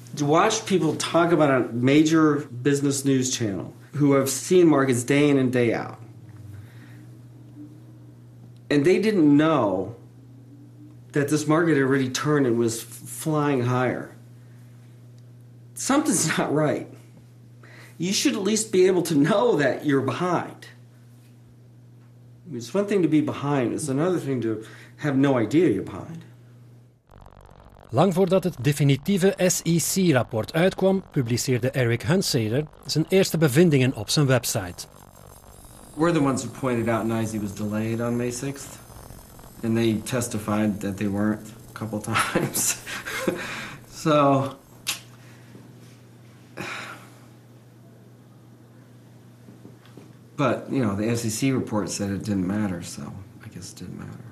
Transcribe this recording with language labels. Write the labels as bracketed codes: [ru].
[en] To watch people talk about a major business news channel who have seen markets day in and day out, and they didn't know that this market had already turned and was flying higher. Something's not right. You should at least be able to know that you're behind. I mean, it's one thing to be behind. It's another thing to have no idea you're behind. [nl] Lang voordat het definitieve SEC-rapport uitkwam, publiceerde Eric Hunsader zijn eerste bevindingen op zijn website. [en] We're the ones who pointed out NYSE was delayed on May 6th. And they testified that they weren't a couple times. So... But, you know, the SEC report said it didn't matter, so I guess it didn't matter.